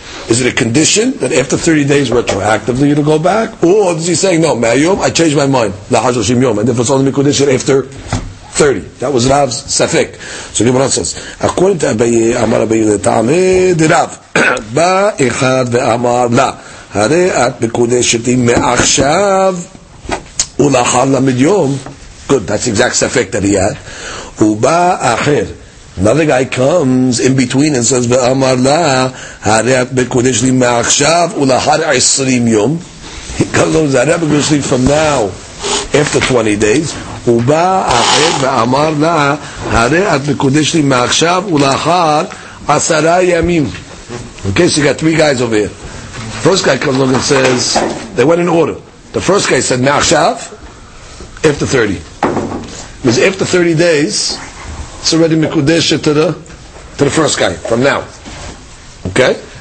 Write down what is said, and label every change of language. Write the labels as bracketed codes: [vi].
[en] Is it a condition that after 30 days retroactively you'll go back? Or is he saying, no, Mehayom, I changed my mind, [he] Lahar Shiloshim Yom, [en] and if it's only Mekudeshati after 30? That was Rav's Safik. So Gemara says, according to Abaye, Amar Abaye, the Tamid, Rav, [he] Ba Echad Ve Amar La. הרי את מקודשתי מעכשיו ולאחר למד יום. [en] Good, that's exact ספק that he had. [he] ובא אחר. [en] Another guy comes in between and says, [he] ואמר לה, הרי את מקודשתי מעכשיו ולאחר 20 יום. [en] He comes on, [he] הרי את מקודשתי [en] from now, after 20 days. [he] ובא אחר ואמר לה, הרי את מקודשתי מעכשיו ולאחר 10 ימים. [en] Okay, so you got three guys over here. First guy comes along and says, they went in order. The first guy said, [he] Me'achshav, [en] after 30. Because after 30 days, it's already Mekudeshet to the first guy, from now. Okay?